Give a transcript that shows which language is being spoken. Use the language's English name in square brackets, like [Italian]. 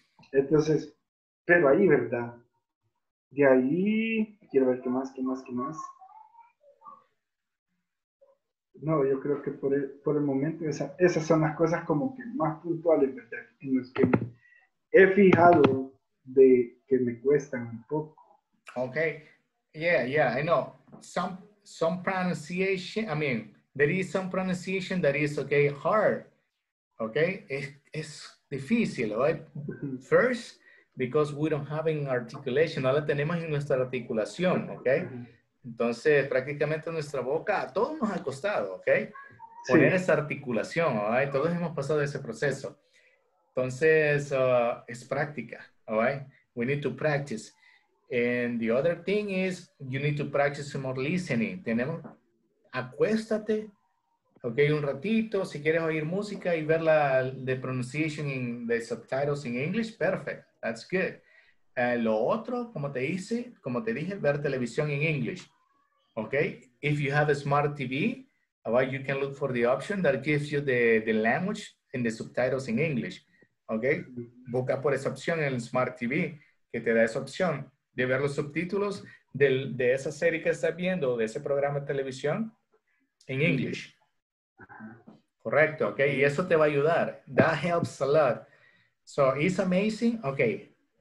[Spanish] Entonces, pero ahí, ¿verdad? De ahí, quiero ver qué más. No, yo creo que por el momento esas son las cosas como que más puntuales, ¿verdad? En los que... He fijado de que me cuestan un poco. [English] Okay. Yeah, I know. Some pronunciation, I mean, there is some pronunciation that is, okay, hard. Okay? [Spanish] Es difícil, [English] right? First, because we don't have an articulation. [Spanish] No la tenemos en nuestra articulación, ¿ok? Entonces, prácticamente nuestra boca, a todos nos ha costado, ¿ok? Poner sí. esa articulación, ¿ok? Right? Todos hemos pasado ese proceso. Entonces, es práctica, ¿ok? Right? [English] We need to practice. And the other thing is, you need to practice more listening. [Spanish] Tenemos, acuéstate, ¿ok? Un ratito, si quieres oír música y ver la [English] the pronunciation in the subtitles in English, perfect, that's good. [Spanish] Lo otro, como te dije, ver televisión en inglés. [English] Okay? If you have a smart TV, you can look for the option that gives you the language and the subtitles in English. Okay? [Spanish] Busca por esa opción en el smart TV que te da esa opción de ver los subtítulos de esa serie que estás viendo, de ese programa de televisión en inglés. Correcto, okay? Y eso te va a ayudar. [English] That helps a lot. So, it's amazing. Okay.